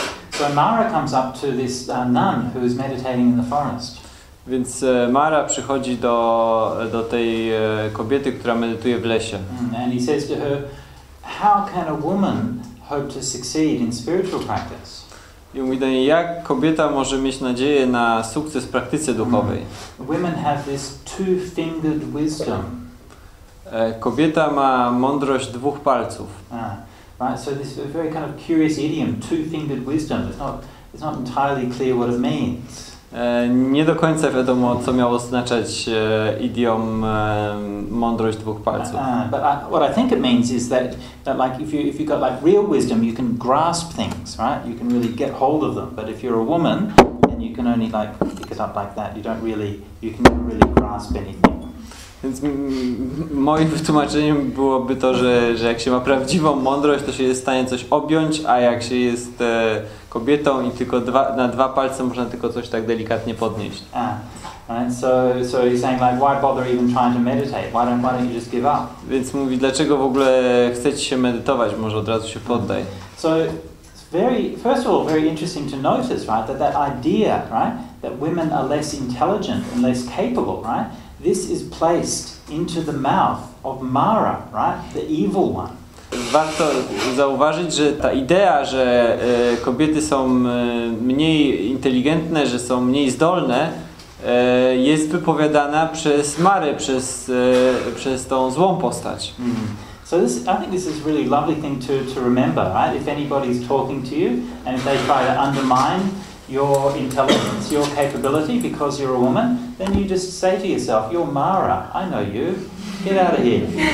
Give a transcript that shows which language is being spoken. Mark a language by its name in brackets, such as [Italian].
[English] So Mara comes up to this nun who is meditating in the forest. [Polish] Więc Mara przychodzi do tej kobiety, która medytuje w lesie. [English] And he says to her, how can a woman hope to succeed in spiritual practice? [Polish] I mówi do niej, jak kobieta może mieć nadzieję na sukces w praktyce duchowej? [English] Women have this two-fingered wisdom. [Polish] Kobieta ma mądrość dwóch palców. [English] Right, so this is a very kind of curious idiom, two-fingered wisdom. It's not entirely clear what it means. [Polish] Nie do końca wiadomo, co miało oznaczać idiom mądrość dwóch palców. [English] What I think it means is that like if you got like real wisdom, you can grasp things, right? You can really get hold of them. But if you're a woman, then you can only like pick it up like that. You can't really grasp anything. [Polish] Więc moim wytłumaczeniem byłoby to, że jak się ma prawdziwą mądrość, to się jest w stanie coś objąć, a jak się jest kobietą i tylko na dwa palce można tylko coś tak delikatnie podnieść. [English] So he's saying like, why bother even trying to meditate? Why don't you just give up? [Polish] Więc mówi, dlaczego w ogóle chcecie się medytować? Może od razu się poddaj. [English] So it's first of all very interesting to notice, right, that idea, right, that women are less intelligent and less capable, right? This is placed into the mouth of Mara, right? The evil one. [Polish] Warto zauważyć, że ta idea, że kobiety są mniej inteligentne, że są mniej zdolne, jest wypowiadana przez Marę, przez tą złą postać. [English] So this, I think this is a really lovely thing to remember, right? If anybody's talking to you and if they try to undermine your intelligence, your capability, because you're a woman, then you just say to yourself, you're Mara, I know you, get out of here.